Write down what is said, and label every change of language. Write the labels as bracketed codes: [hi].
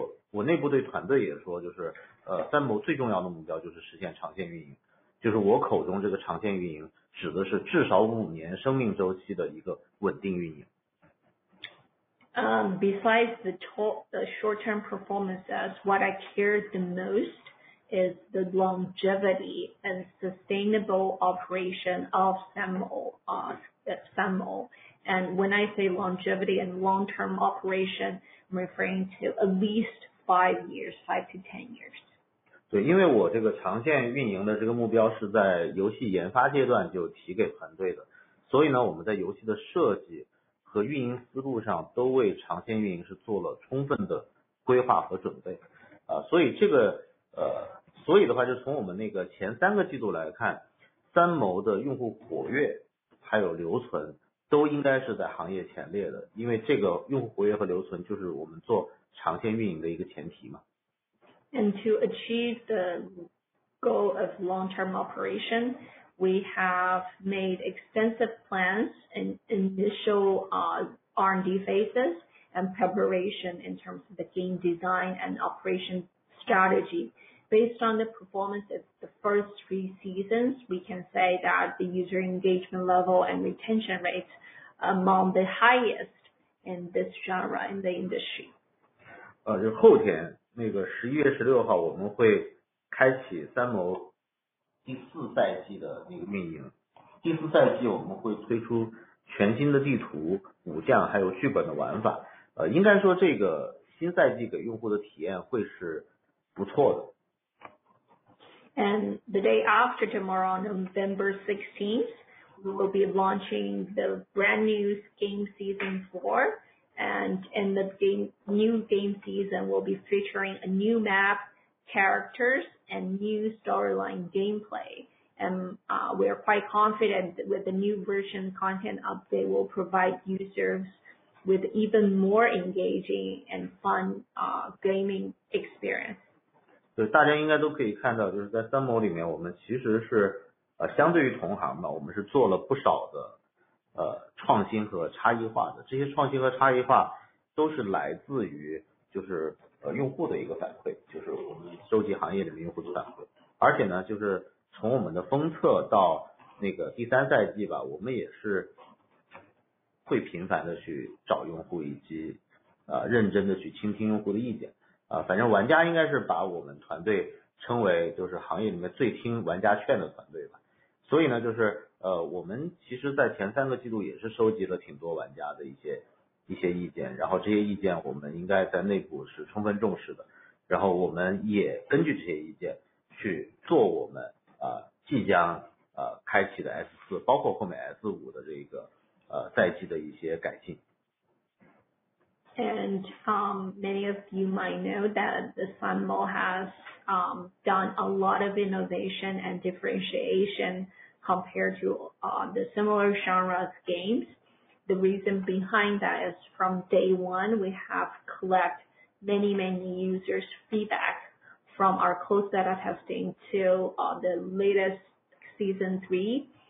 [zh] 我内部对团队也说，就是三谋最重要的目标就是实现长线运营，就是我口中这个长线运营指的是至少五年生命周期的一个稳定运营。 [en] Besides the short-term performances, what I care the most is the longevity and sustainable operation of Sanmo. And when I say longevity and long-term operation, I'm referring to at least five to ten years. [zh] 对，因为我这个长线运营的这个目标是在游戏研发阶段就提给团队的，所以呢，我们在游戏的设计和运营思路上都为长线运营是做了充分的规划和准备。所以这个所以的话，就从我们那个前三个季度来看，三谋的用户活跃还有留存都应该是在行业前列的，因为这个用户活跃和留存就是我们做长线运营的一个前提嘛。 [en] And to achieve the goal of long-term operation, we have made extensive plans in initial R&D phases and preparation in terms of the game design and operation strategy. Based on the performance of the first three seasons, we can say that the user engagement level and retention rates among the highest in this genre in the industry. [zh] 就后天那个11月16号我们会开启三谋第四赛季的那个运营。第四赛季我们会推出全新的地图、武将还有剧本的玩法。应该说这个新赛季给用户的体验会是不错的。 [en] And the day after tomorrow, November 16th, we will be launching the brand new game season 4. And in the new game season, we'll be featuring a new map, characters, and new storyline gameplay. And we are quite confident that with the new version content update, will provide users with even more engaging and fun gaming experience. [zh] 对，大家应该都可以看到，就是在三谋里面，我们其实是相对于同行吧，我们是做了不少的。创新和差异化的，这些创新和差异化都是来自于就是用户的一个反馈，就是我们收集行业里面用户的反馈。而且呢，就是从我们的封测到那个第三赛季吧，我们也是会频繁的去找用户，以及认真的去倾听用户的意见。反正玩家应该是把我们团队称为就是行业里面最听玩家劝的团队吧。所以呢，就是我们其实在前三个季度也是收集了挺多玩家的一些意见，然后这些意见我们应该在内部是充分重视的，然后我们也根据这些意见去做我们即将开启的 S4 包括后面 S5 的这个赛季的一些改进。 [en] And many of you might know that the Sanmo has done a lot of innovation and differentiation compared to the similar genres games. The reason behind that is from day one, we have collected many, many users' feedback from our close beta testing to the latest season 3.